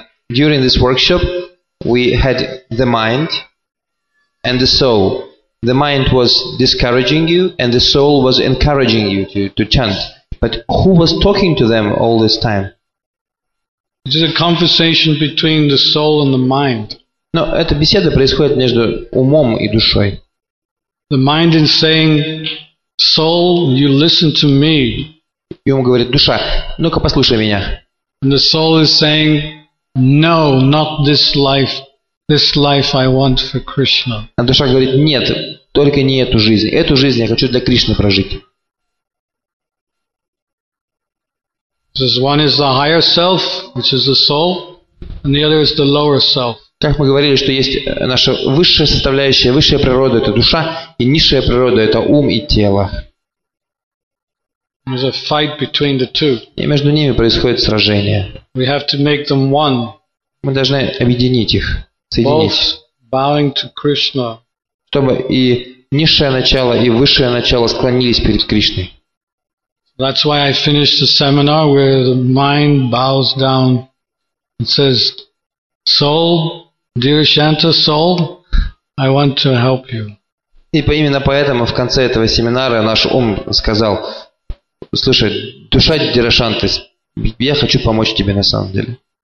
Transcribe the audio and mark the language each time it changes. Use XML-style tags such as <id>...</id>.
<en>During this workshop, we had the mind and the soul. The mind was discouraging you, and the soul was encouraging you to chant. But who was talking to them all this time? It is a conversation between the soul and the mind.</en> <ru>No, эта беседа происходит между умом и душой.</ru> <en>The mind is saying, soul, you listen to me.</en> <ru>И ум говорит, душа, ну-ка послушай меня.</ru> <en>And the soul is saying, no, not this life. This life I want for Krishna.</en> <ru>А душа говорит, нет, только не эту жизнь. Эту жизнь я хочу для Кришны прожить.</ru> <en>So one is the higher self, which is the soul, and the other is the lower self.</en> <ru>Как мы говорили, что есть наша высшая составляющая, высшая природа – это душа, и низшая природа – это ум и тело.</ru> <en>There's a fight between the two.</en> <ru>И между ними происходит сражение.</ru> <en>We have to make them one.</en> <ru>Мы должны объединить их, соединить.</ru> <en>Bowing to Krishna.</en> <ru>Чтобы и низшее начало, и высшее начало склонились перед Кришной.</ru> <en>That's why I finished the seminar where the mind bows down and says, soul, dear Shanta, soul, I want to help you.</en> <ru>И именно поэтому в конце этого семинара наш ум сказал, слушай, душа Дира Шанты, я хочу помочь тебе на самом деле.</ru>